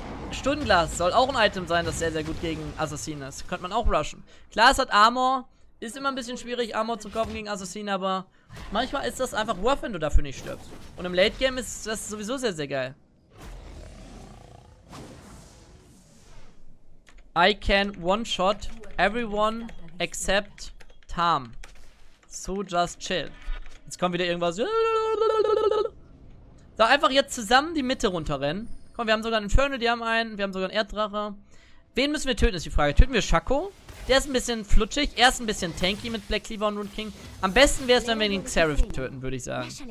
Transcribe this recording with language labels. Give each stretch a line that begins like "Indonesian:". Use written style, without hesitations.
German: Stundenglas soll auch ein Item sein, das sehr, sehr gut gegen Assassinen ist. Könnte man auch rushen. Klar, es hat Armor. Ist immer ein bisschen schwierig, Armor zu kaufen gegen Assassinen, aber... Manchmal ist das einfach worth, wenn du dafür nicht stirbst. Und im Late Game ist das sowieso sehr, sehr geil.
English: I can one-shot everyone except Tam. So just chill.
German: Jetzt kommt wieder irgendwas. So, einfach jetzt zusammen die Mitte runterrennen. Komm, wir haben sogar einen Inferno, die haben einen. Wir haben sogar einen Erddrache. Wen müssen wir töten, ist die Frage. Töten wir Shaco? Der ist ein bisschen flutschig. Er ist ein bisschen tanky mit Black Cleaver und Rune King. Am besten wäre es, wenn wir den Xerif töten, würde ich sagen.